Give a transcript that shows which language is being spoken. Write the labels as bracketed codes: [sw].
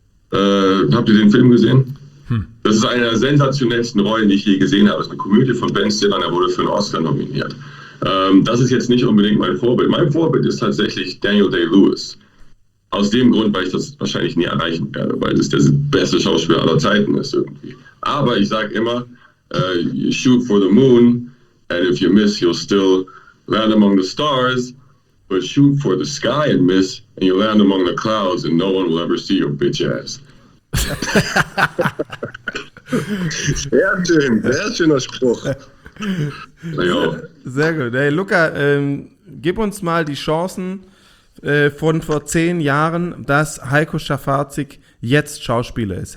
[de] Habt ihr den Film gesehen? Das ist eine der sensationellsten Rollen, die ich je gesehen habe. Es ist eine Komödie von Ben Stiller, er wurde für einen Oscar nominiert. Das ist jetzt nicht unbedingt mein Vorbild. Mein Vorbild ist tatsächlich Daniel Day-Lewis. Aus dem Grund, weil ich das wahrscheinlich nie erreichen werde, weil es der beste Schauspieler aller Zeiten ist irgendwie. Aber ich sage immer, [en] you shoot for the moon, and if you miss, you'll still land among the stars, but shoot for the sky and miss, and you'll land among the clouds, and no one will ever see your bitch ass. [de] Sehr schön, sehr schöner Spruch. Sehr gut. Hey Luca, gib uns mal die Chancen von vor 10 Jahren, dass Heiko Schafazik jetzt Schauspieler ist.